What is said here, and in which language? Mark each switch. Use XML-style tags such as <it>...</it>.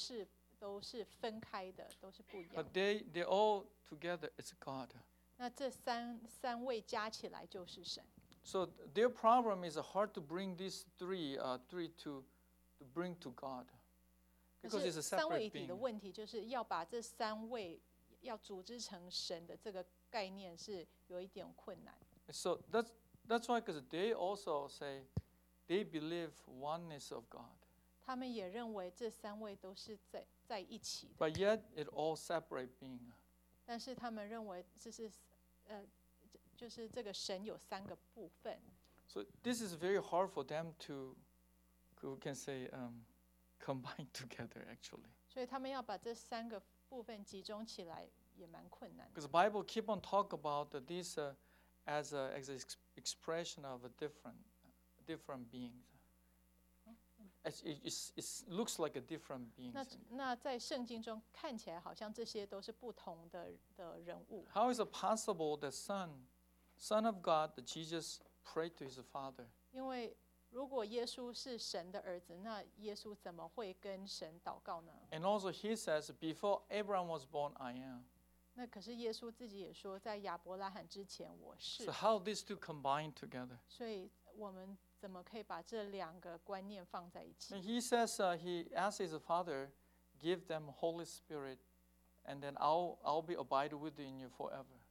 <zh>但是圣灵子与父都是分开的，都是不一样。</zh> <en>But they all together is God.</en> <zh>那这三位加起来就是神。</zh> <en>So their problem is hard to bring these three to bring to God. Because it's a separate being. So that's why, because they also say they believe oneness of God. But yet, it all separate being.</en> <zh>但是他们认为这是，就是这个神有三个部分。</zh> <en>So this is very hard for them to, we can say, combined together, actually.</en> <zh>所以他们要把这三个部分集中起来也蛮困难的。</zh> <en>Because the Bible keep on talk about this as an expression of a different beings. It looks like a different being.</en> <zh>那在圣经中看起来好像这些都是不同的人物。</zh> <en>How is it possible the Son of God, Jesus, prayed to His Father?</en> <zh>因为 如果耶稣是神的儿子，那耶稣怎么会跟神祷告呢？</zh> <en>And also he says, before Abraham was born, I am.</en> <zh>那可是耶稣自己也说，在亚伯拉罕之前我是。</zh> <en>So how these two combine together?</en> <zh>所以我们怎么可以把这两个观念放在一起？</zh> <en>And he says, he asked his Father, give them Holy Spirit, and then I'll be abide within you forever.</en>